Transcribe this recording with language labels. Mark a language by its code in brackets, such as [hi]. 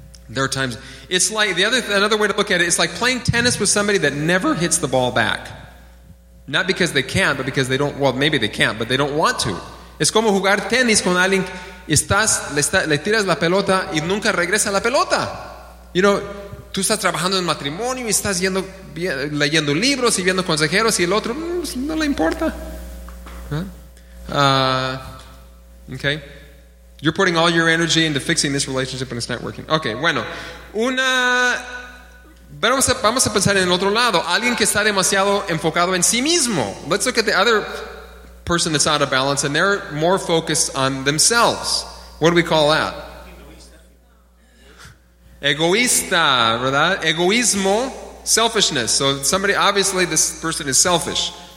[en] There are times, it's like, another way to look at it, it's like playing tennis with somebody that never hits the ball back. Not because they can't, but because they don't, well, maybe they can't, but they don't want to. [es] Es como jugar tenis con alguien, le tiras la pelota y nunca regresa la pelota. [en] You know, [es] tú estás trabajando en matrimonio y estás yendo, leyendo libros y viendo consejeros y el otro, no le importa. [en] Okay. You're putting all your energy into fixing this relationship and it's not working. [es] Okay, bueno. Vamos a pensar en el otro lado. Alguien que está demasiado enfocado en sí mismo. [en] Let's look at the other person that's out of balance and they're more focused on themselves. What do we call that? [es] Egoísta, ¿verdad? Egoísmo, selfishness. [en] So somebody, obviously this person is selfish.